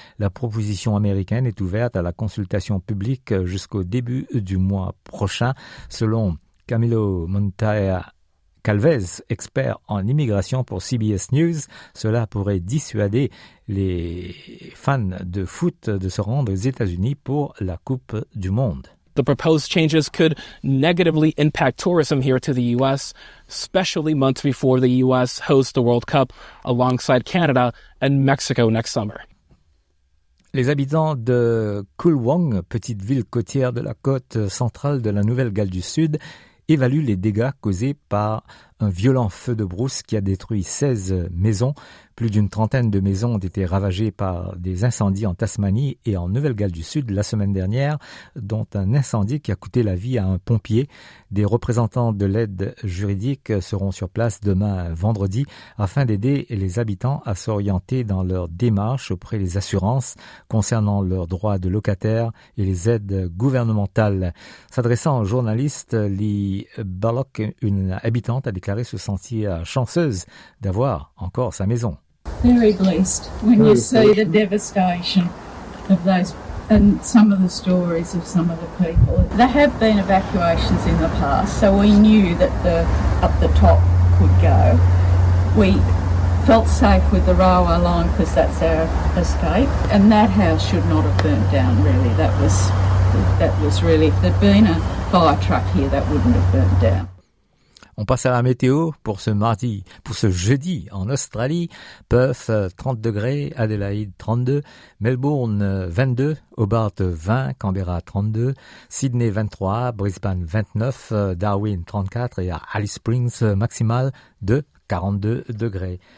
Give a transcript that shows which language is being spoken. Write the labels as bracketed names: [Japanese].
[French] La proposition américaine est ouverte à la consultation publique jusqu'au début du mois prochain, selon Camilo Montaya Calvez, expert en immigration pour CBS News. Cela pourrait dissuader les fans de foot de se rendre aux États-Unis pour la Coupe du Monde. [English] The proposed changes could negatively impact tourism here to the U.S., especially months before the U.S. hosts the World Cup alongside Canada and Mexico next summer. [French] Les habitants de Coolwong, petite ville côtière de la côte centrale de la Nouvelle-Galles du Sud, évalue les dégâts causés par un violent feu de brousse qui a détruit 16 maisons. Plus d'une trentaine de maisons ont été ravagées par des incendies en Tasmanie et en Nouvelle-Galles du Sud la semaine dernière, dont un incendie qui a coûté la vie à un pompier. Des représentants de l'aide juridique seront sur place demain vendredi afin d'aider les habitants à s'orienter dans leur démarche auprès des assurances concernant leurs droits de locataire et les aides gouvernementales. S'adressant au journaliste Lee Ballock, une habitante a déclaré se sentir chanceuse d'avoir encore sa maison. [English] Very blessed when you see the devastation of those and some of the stories of some of the people. There have been evacuations in the past, so we knew that the up the top could go. We felt safe with the railway line because that's our escape. And that house should not have burnt down really. That was really, if there'd been a fire truck here, that wouldn't have burnt down. [French] On passe à la météo pour ce jeudi en Australie. Perth, 30 degrés, Adélaïde, 32, Melbourne, 22, Hobart, 20, Canberra, 32, Sydney, 23, Brisbane, 29, Darwin, 34 et à Alice Springs, maximale de 42 degrés.